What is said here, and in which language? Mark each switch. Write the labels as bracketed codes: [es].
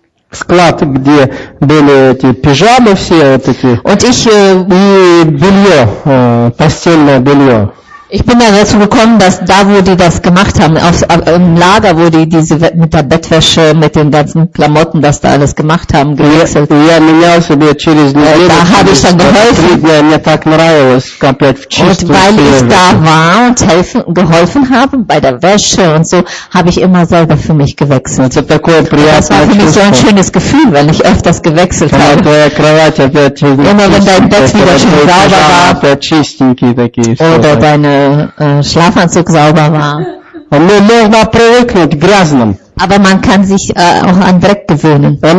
[ru] склад, где были эти пижамы все вот эти, [de] und ich, [ru] и белье, постельное белье. [de] Ich bin dann dazu gekommen, dass da, wo die das gemacht haben, im Lager, wo die diese mit der Bettwäsche, mit den ganzen Klamotten, das da alles gemacht haben, gewechselt. Da habe ich dann geholfen. Und weil ich da war und geholfen habe bei der Wäsche und so, habe ich immer selber für mich gewechselt. Und das war für mich so ein schönes Gefühl, wenn ich öfters gewechselt habe. Immer wenn dein Bett wieder schön sauber war. Oder deine Schlafanzug sauber war. [ru] Но можно привыкнуть к грязным. [de] Aber man kann sich auch an Dreck gewöhnen.